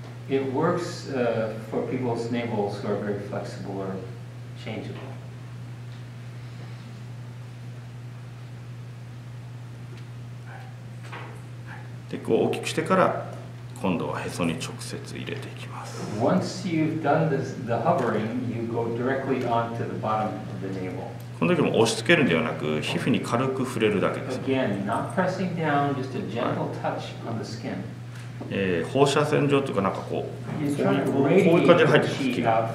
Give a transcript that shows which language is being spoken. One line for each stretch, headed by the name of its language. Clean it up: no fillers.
English: It works, for people's navels who are very flexible or changeable.
Japanese: で、こう大きくしてから、今度はへそに直接入れていきます。
English: Once you've done this, the hovering, you go directly onto the bottom of the navel.
Japanese: この時も押し付けるんではなく、皮膚に軽く触れるだけです。
English: Again, not pressing down, just a gentle touch on the skin.
Japanese: 放射線状というか、なんかこう、こういう感じで入っていく。